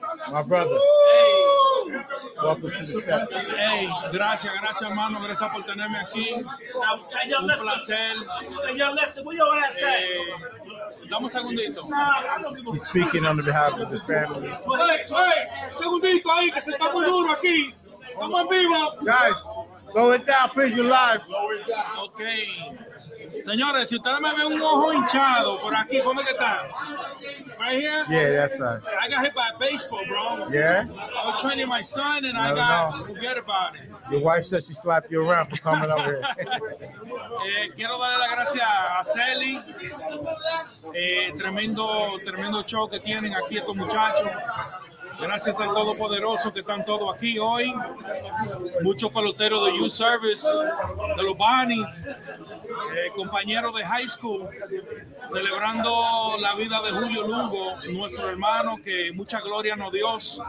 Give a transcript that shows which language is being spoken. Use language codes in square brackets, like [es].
[en] My brother. Welcome to the set. [es] Hey, gracias, gracias, mano. Gracias por tenerme aquí. Un placer. Dame un segundito. [en] He's speaking on the behalf of his family. [es] Hey, segundito ahí, que se está muy duro aquí. [en] Come on, vivo. Guys, slow it down, please, you're live. Okay. [es] Señores, si ustedes me ven un ojo hinchado por aquí, ¿cómo que está? [en] Right here? Yeah, that's right. I got hit by a baseball, bro. Yeah? I was training my son, and I got to forget about it. Your wife said she slapped you around for coming over here. [es] Quiero darle las gracias a Sally. Tremendo, tremendo show que tienen aquí estos muchachos. Gracias al Todopoderoso que están todos aquí hoy. Muchos peloteros de Youth Service, de los Bunnies, compañeros de high school, celebrando la vida de Julio Lugo, nuestro hermano, que mucha gloria nos dio.